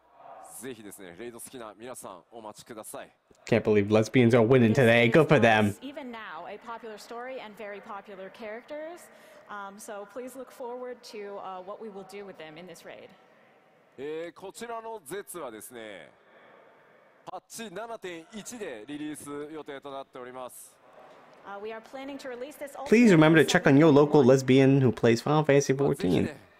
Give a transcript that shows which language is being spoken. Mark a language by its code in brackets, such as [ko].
[ja] 今でもですね、非常に人気のあるストーリーとそれからキャラクターたち。ごめん、そちらをそれらをですね、モチーフにどんな戦いとかシチュエーションが待っているのか、ぜひですね、レイド好きな皆さん、お待ちください。 [en] Can't believe lesbians are winning today. Good for them. Even now, a popular story and very popular characters. So please look forward to what we will do with them in this raid. [ja] こちらのZetsはですね、パッチ7.1でリリース予定となっております。 [en] We are planning to release this. Please remember to check on your local lesbian who plays Final Fantasy 14.